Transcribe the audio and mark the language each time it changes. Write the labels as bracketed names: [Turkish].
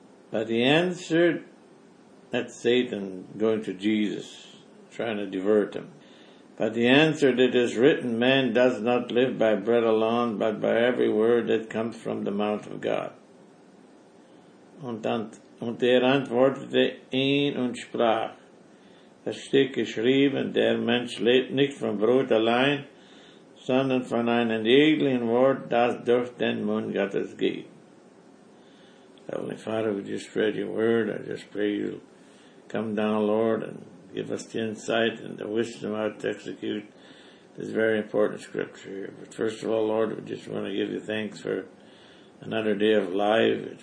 [English] But he answered, that's Satan going to Jesus, trying to divert him. But he answered, it is written, man does not live by bread alone, but by every word that comes from the mouth of God. [German] Und er antwortete ihn und sprach, es steht geschrieben, der Mensch lebt nicht vom Brot allein, sondern von einem jeglichen Wort, das durch den Mund Gottes geht. [English] Heavenly Father, we just read your word. I just pray you come down, Lord, and give us the insight and the wisdom how to execute this very important scripture here. But first of all, Lord, we just want to give you thanks for another day of life.